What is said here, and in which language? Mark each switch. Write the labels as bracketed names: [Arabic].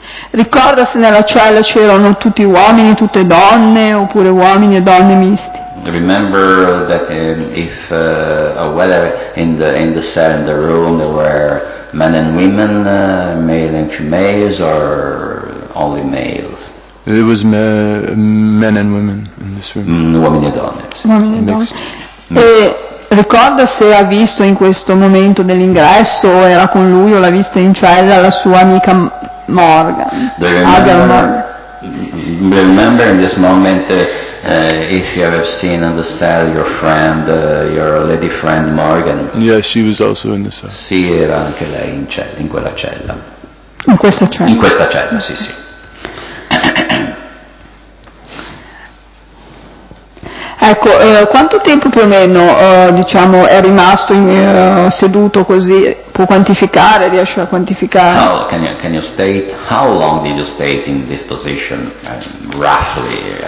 [Italian] Ricorda se nella cella c'erano tutti uomini, tutte donne, oppure uomini e donne misti. [English] Remember that whether in the cell, in the room, there were men and women, male and females, or only males? It was men and women in this room. [Italian] Uomini e donne. Uomini e donne. Ricorda se ha visto in questo momento dell'ingresso, o era con lui, o l'ha vista in cella, la sua amica Morgan? [English] Remember in this moment, if you have seen in the cell your friend, your lady friend Morgan. Yeah, she was also in the cell. [Italian] Sì, era anche lei in quella cella. In questa cella. In questa cella, sì, sì. Ecco, quanto tempo più o meno, diciamo, è rimasto seduto così? Può quantificare, riesce a quantificare? [English] Can you state, how long did you stay in this position, roughly?